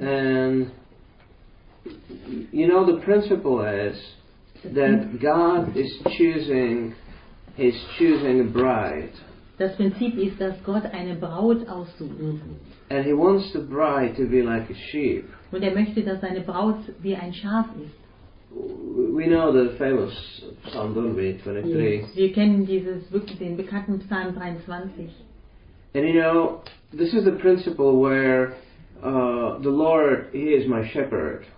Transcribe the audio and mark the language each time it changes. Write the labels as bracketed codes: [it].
[en] And you know the principle is that God is choosing a bride. [de] Das Prinzip ist, dass Gott eine Braut aussucht. [en] And he wants the bride to be like a sheep. [de] Und möchte, dass seine Braut wie ein Schaf ist. [en] We know the famous Psalm, don't we, 23. [de] Yes. Wir kennen dieses wirklich den bekannten Psalm 23. [en] And you know, this is the principle where the Lord, He is my shepherd.